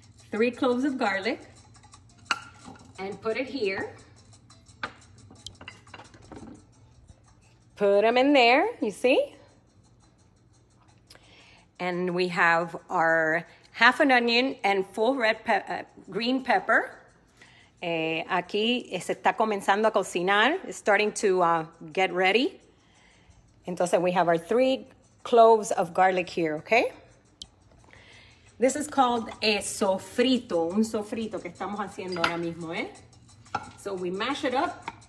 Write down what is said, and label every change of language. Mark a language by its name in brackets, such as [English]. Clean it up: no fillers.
[English] 3 cloves of garlic. And put it here. Put them in there, you see? And we have our half an onion and full red green pepper. [Spanish] Aquí se está comenzando a cocinar. [English] It's starting to get ready. Entonces we have our 3 cloves of garlic here, okay? This is called a sofrito, [Spanish] un sofrito que estamos haciendo ahora mismo, ¿eh? [English] So we mash it up.